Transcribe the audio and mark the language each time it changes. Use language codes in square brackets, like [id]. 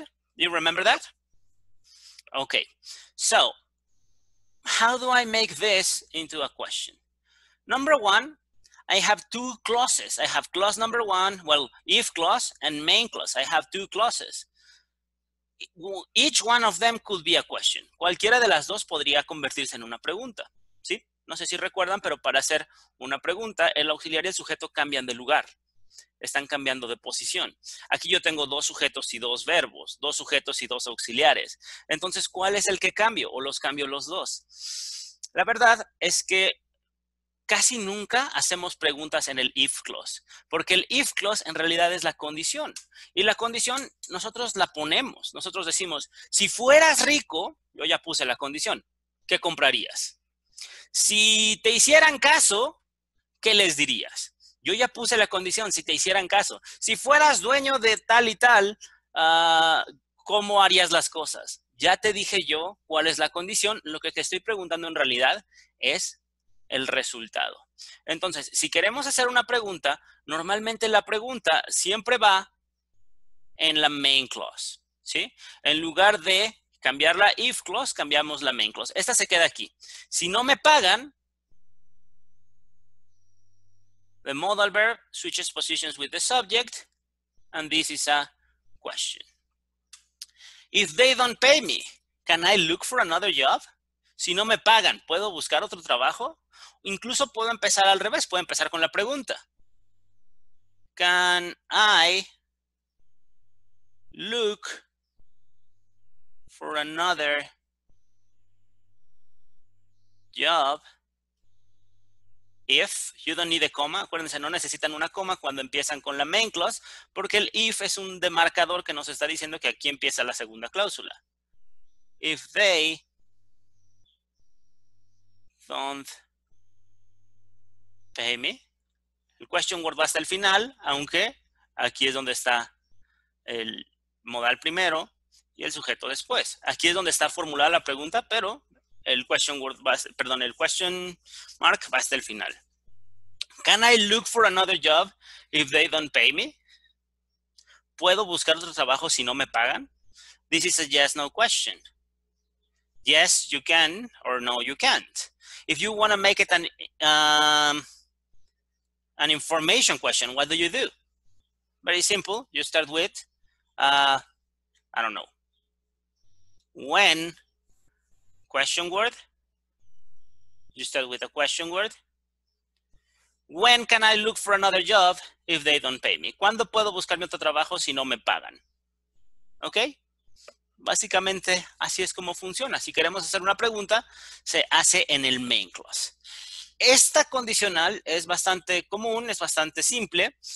[en] Do you remember that? Okay, so how do I make this into a question? Number one, I have two clauses. I have clause number one, well, if clause and main clause. I have two clauses. Each one of them could be a question. [es] Cualquiera de las dos podría convertirse en una pregunta. ¿Sí? No sé si recuerdan, pero para hacer una pregunta, el auxiliar y el sujeto cambian de lugar. Están cambiando de posición. Aquí yo tengo dos sujetos y dos verbos, dos sujetos y dos auxiliares. Entonces, ¿cuál es el que cambio o los cambio los dos? La verdad es que casi nunca hacemos preguntas en el if clause, porque el if clause en realidad es la condición. Y la condición nosotros la ponemos. Nosotros decimos, si fueras rico, yo ya puse la condición, ¿qué comprarías? Si te hicieran caso, ¿qué les dirías? Yo ya puse la condición, si te hicieran caso. Si fueras dueño de tal y tal, ¿cómo harías las cosas? Ya te dije yo cuál es la condición. Lo que te estoy preguntando en realidad es el resultado. Entonces, si queremos hacer una pregunta, normalmente la pregunta siempre va en la main clause. ¿Sí? En lugar de cambiar la if clause, cambiamos la main clause. Esta se queda aquí. Si no me pagan, [en] the modal verb switches positions with the subject, and this is a question. If they don't pay me, can I look for another job? [es] Si no me pagan, ¿puedo buscar otro trabajo? Incluso puedo empezar al revés, puedo empezar con la pregunta. [en] Can I look for another job? If, you don't need a coma. [es] Acuérdense, no necesitan una coma cuando empiezan con la main clause, porque el if es un demarcador que nos está diciendo que aquí empieza la segunda cláusula. [en] If they don't pay me. [es] El question word va hasta el final, aunque aquí es donde está el modal primero y el sujeto después. Aquí es donde está formulada la pregunta, pero el question word va, perdón, el question mark va hasta el final. [en] Can I look for another job if they don't pay me? [es] ¿Puedo buscar otro trabajo si no me pagan? [en] This is a yes, no question. Yes, you can, or no, you can't. If you want to make it an information question, what do you do? Very simple. You start with, I don't know, when, question word. You start with a question word. When can I look for another job if they don't pay me? [es] ¿Cuándo puedo buscarme otro trabajo si no me pagan? Okay. Básicamente, así es como funciona. Si queremos hacer una pregunta, se hace en el main clause. Esta condicional es bastante común, es bastante simple.